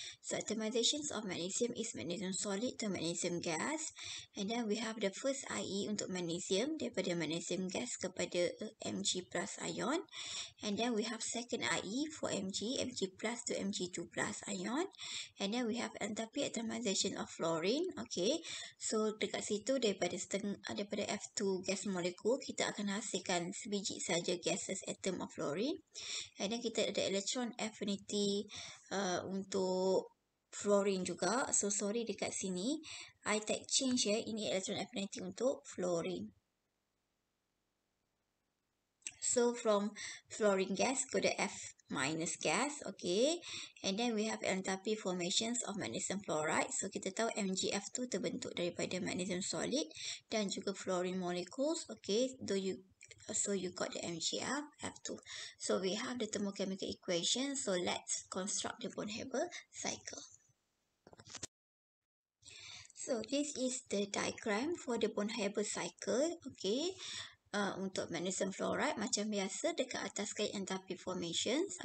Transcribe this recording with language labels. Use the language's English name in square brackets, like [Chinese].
[English] So atomizations of magnesium is magnesium solid to magnesium gas. And then we have the first IE [Malay] untuk magnesium daripada magnesium gas kepada [English] Mg plus ion. And then we have second IE for Mg, Mg plus to Mg2 plus ion. And then we have [Malay] tapi [English] atomization of fluorine, okay. [Malay] So dekat situ daripada daripada [English] F2 gas molecule [Malay] kita akan hasilkan sebiji saja [English] gases atom of fluorine. And then [Malay] kita ada [English] electron affinity [Malay] untuk fluorine juga. [English] So sorry [Malay] dekat sini [English] I take change [Malay] ya, ini [English] electron affinity untuk fluorine. So from fluorine gas go to F minus gas, okay. And then we have enthalpy formations of magnesium fluoride. [Malay] So kita tahu MgF2 terbentuk daripada magnesium solid dan juga [English] fluorine molecules, okay. Do you so you got the MgF F2. So we have the thermochemical equation. So let's construct the bond Haber cycle. So this is the diagram for the bond Haber cycle, okay. [Malay] Untuk magnesium fluoride, macam biasa, dekat atas sekali [English] enthalpy formations.